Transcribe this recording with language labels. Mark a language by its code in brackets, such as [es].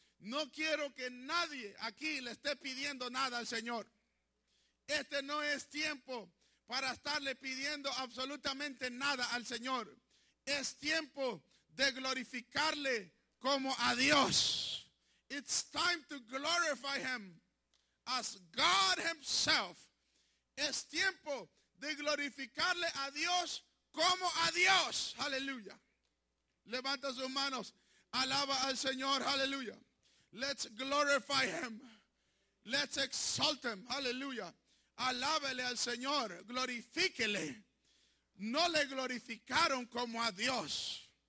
[es] No quiero que nadie aquí le esté pidiendo nada al Señor. Este no es tiempo para estarle pidiendo absolutamente nada al Señor. Es tiempo de glorificarle como a Dios. [en] It's time to glorify Him as God Himself. [es] Es tiempo de glorificarle a Dios como a Dios. Aleluya. Levanta sus manos. Alaba al Señor. Aleluya. [en] Let's glorify Him. Let's exalt Him. Aleluya. [es] Alábele al Señor. Glorifíquele. No le glorificaron como a Dios.